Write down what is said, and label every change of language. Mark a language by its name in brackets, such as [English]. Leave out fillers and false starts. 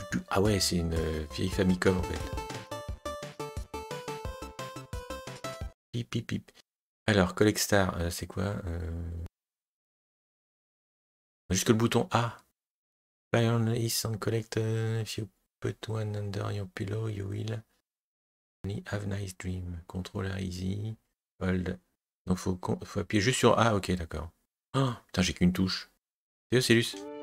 [French] Ah ouais, c'est une vieille Famicom en fait. Pip, pip. Alors, Collect Star, c'est quoi Jusque le bouton A. [English] Buy on this and collect if you put one under your pillow, you will only have nice dream. Controller easy, hold. [French] Donc, faut appuyer juste sur A, ok, d'accord. Ah, oh, putain, j'ai qu'une touche. C'est Ocellus.